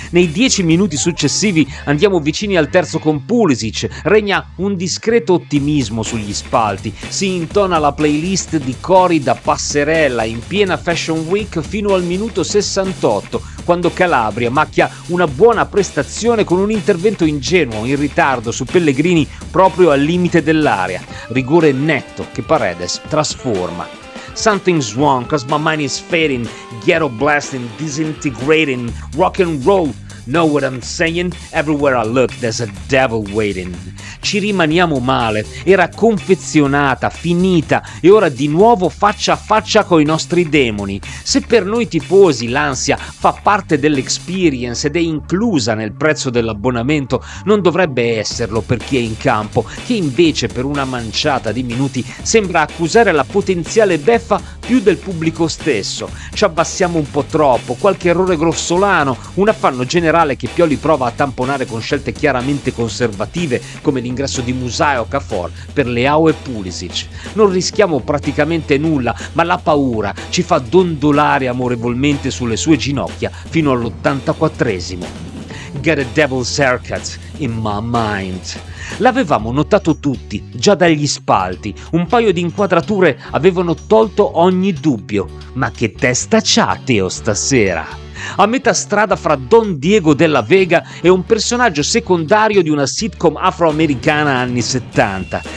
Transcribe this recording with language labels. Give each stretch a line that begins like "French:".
Italian: Nei 10 minuti successivi andiamo vicini al terzo con Pulisic, regna un discreto ottimismo sugli spalti, si intona la playlist di cori da passerella in piena Fashion Week fino al minuto 68, quando Calabria macchia una buona prestazione con un intervento ingenuo in ritardo su Pellegrini proprio al limite dell'area, rigore netto che Paredes trasforma.
English: Something's wrong, 'cause my mind is fading, ghetto blasting, disintegrating, rock and roll. Know what I'm saying? Everywhere I look there's a devil waiting.
Italian: Ci rimaniamo male, era confezionata, finita e ora di nuovo faccia a faccia coi nostri demoni. Se per noi tifosi l'ansia fa parte dell'experience ed è inclusa nel prezzo dell'abbonamento, non dovrebbe esserlo per chi è in campo, che invece per una manciata di minuti sembra accusare la potenziale beffa più del pubblico stesso. Ci abbassiamo un po' troppo, qualche errore grossolano, un affanno generale che Pioli prova a tamponare con scelte chiaramente conservative come l'ingresso di Musa e Okafor per Leao e Pulisic. Non rischiamo praticamente nulla, ma la paura ci fa dondolare amorevolmente sulle sue ginocchia fino all'84esimo.
English: Get a devil's haircut in my mind.
Italian: L'avevamo notato tutti, già dagli spalti. Un paio di inquadrature avevano tolto ogni dubbio. Ma che testa c'ha Teo stasera? A metà strada fra Don Diego della Vega e un personaggio secondario di una sitcom afroamericana anni 70.